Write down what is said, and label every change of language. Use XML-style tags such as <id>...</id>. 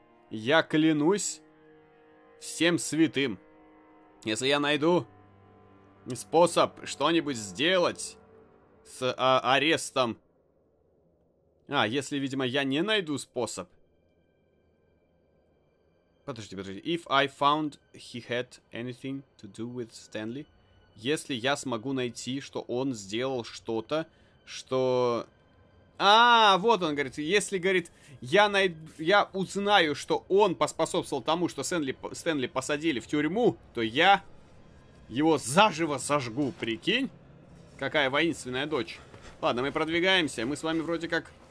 <ru>Я клянусь всем святым. Если я найду способ что-нибудь сделать с арестом... А, если, видимо, я не найду способ... Подожди.</ru> <en>If I found he had anything to do with Stanley,</en> <ru>если я смогу найти, что он сделал что-то, что... А, вот он говорит, если, говорит, я узнаю, что он поспособствовал тому, что Стэнли посадили в тюрьму, то я его заживо сожгу, прикинь? Какая воинственная дочь. Ладно, мы продвигаемся, мы с вами вроде как...</ru>